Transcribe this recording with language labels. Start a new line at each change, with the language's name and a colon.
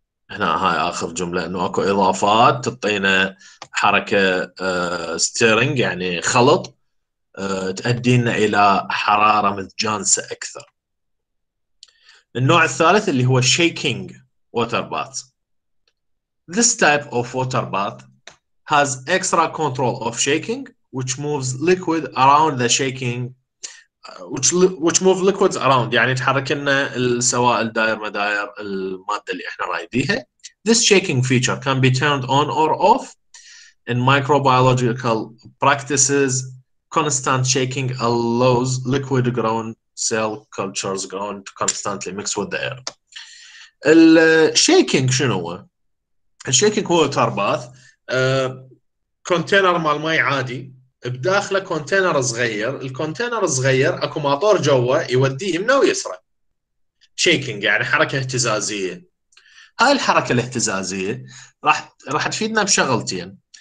Arabic: هنا هاي اخر جمله، انه اكو اضافات تعطينا حركه ستيرنج، يعني خلط تؤدينا إلى حرارة متجانسة أكثر. النوع الثالث اللي هو shaking water baths.
English: This type of water bath has extra control of shaking, which moves liquid around the shaking, which move liquids around.
Arabic: يعني تحرك لنا السوائل داير مداير المادة اللي إحنا رايديها.
English: This shaking feature can be turned on or off in microbiological practices. Constant shaking allows liquid grown cell cultures grown to constantly mix with the air.
Arabic: الشيكينج شنو هو؟ الشيكينج هو ترباث كونتينر مال ماي عادي بداخله كونتينر صغير. الكونتينر الصغير اكو موتور جوا يوديه يمنى ويسرى. شيكينج يعني حركة اهتزازية. هاي الحركة الاهتزازية راح تفيدنا بشغلتين.